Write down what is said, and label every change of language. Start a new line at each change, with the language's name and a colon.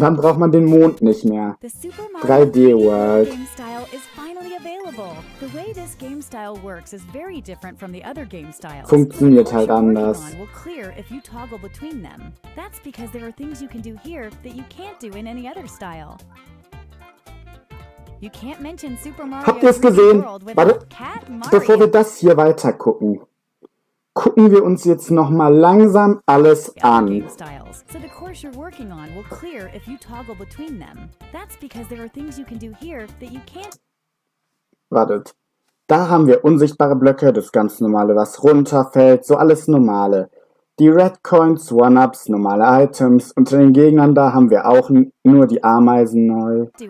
German: Dann braucht man den Mond nicht mehr. 3D World.
English: The way this game style works is very different from the other game styles.
German: Funktioniert halt anders.
English: Will clear if you toggle between them. That's because there are things you can do here that you can't do in any other style. You can't mention Super Mario.
German: Habt ihr es gesehen? Warte, bevor wir das hier weiter gucken, gucken wir uns jetzt noch mal langsam alles an.
English: So the course you're working on will clear if you toggle between them. That's because there are things you can do here that you can't.
German: Wartet. Da haben wir unsichtbare Blöcke, das ganz normale, was runterfällt, so alles normale. Die Red Coins, One-Ups, normale Items. Unter den Gegnern da haben wir auch nur die Ameisen neu.